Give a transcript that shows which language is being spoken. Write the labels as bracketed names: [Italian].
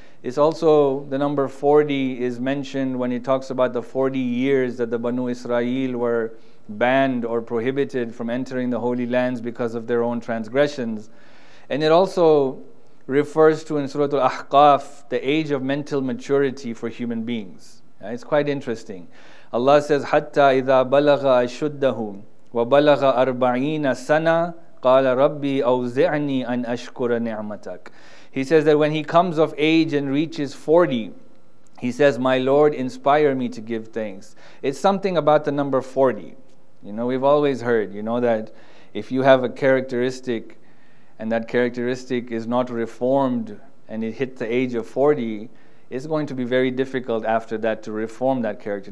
[English] It's also the number 40 is mentioned when he talks about the 40 years that the Banu Israel were banned or prohibited from entering the holy lands because of their own transgressions. And it also refers to, in Surah Al-Ahqaf, the age of mental maturity for human beings. It's quite interesting. Allah says, [Arabic] حَتَّى إِذَا بَلَغَ أَشُدَّهُ وَبَلَغَ أَرْبَعِينَ سَنَةً قَالَ رَبِّي أَوْزِعْنِي أَنْ أَشْكُرَ نِعْمَتَكَ. [English] He says that when he comes of age and reaches 40, he says, my Lord, inspire me to give thanks. It's something about the number 40. You know, we've always heard, you know, that if you have a characteristic and that characteristic is not reformed and it hit the age of 40, it's going to be very difficult after that to reform that character.